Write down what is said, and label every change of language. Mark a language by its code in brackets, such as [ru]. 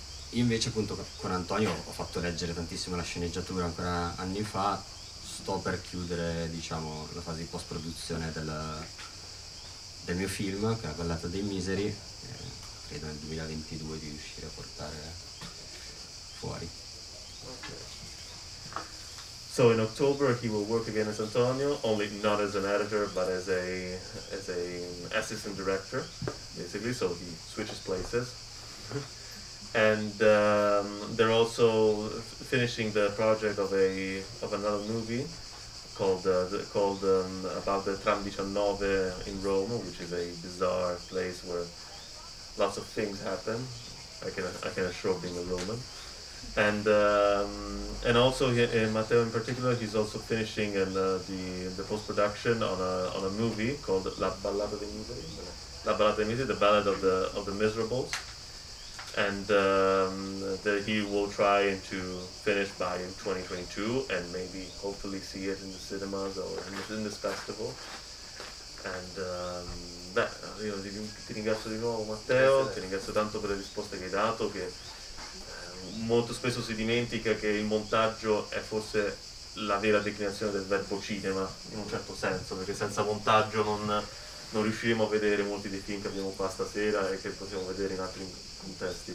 [it] Io invece appunto con Antonio ho fatto leggere tantissimo la sceneggiatura ancora anni fa, sto per chiudere diciamo la fase di post produzione del mio film, che è La Ballata dei Miseri, credo nel 2022 di riuscire a portare fuori. [en] So in October he will work again as Antonio, only not as an editor, but as a assistant director, basically. So he switches places, and they're also finishing the project of another movie called about the Tram 19 in Rome, which is a bizarre place where lots of things happen, I can assure being alone. And also Matteo in particular, he's also finishing the post-production on a movie called La Ballata dei Miseri, the Ballad of the Miserables. And that he will try to finish by 2022 and maybe hopefully see it in the cinemas or in this festival. [it] And beh, io ti ringrazio di nuovo Matteo, ti ringrazio tanto per le risposte che hai dato, che molto spesso si dimentica che il montaggio è forse la vera declinazione del verbo cinema, in un certo senso, perché senza montaggio non riusciremo a vedere molti dei film che abbiamo qua stasera e che possiamo vedere in altri contesti.